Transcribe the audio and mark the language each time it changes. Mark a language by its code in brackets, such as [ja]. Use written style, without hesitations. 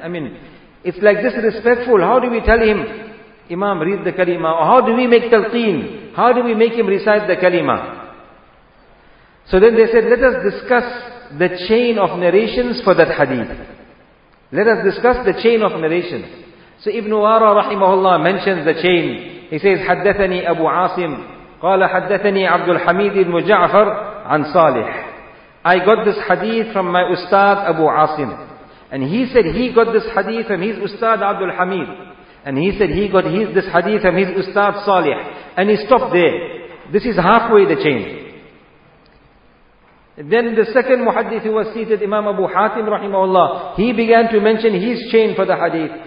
[en] I mean, it's like disrespectful. How do we tell him, Imam, read the kalima? Or how do we make talqeen? How do we make him recite the kalima? So then they said, let us discuss the chain of narrations for that hadith. Let us discuss the chain of narration. So Ibn Wara rahimahullah mentions the chain. He says, [ar] حدثني أبو عاصم قال حدثني عبد الحميد المجعفر عن صالح. [en] I got this hadith from my ustad Abu Asim. And he said he got this hadith from his ustad Abd al-Hamid. And he said he got this hadith from his ustad Salih. And he stopped there. This is halfway the chain. Then the second muhaddith who was seated, Imam Abu Hatim rahimahullah, he began to mention his chain for the hadith.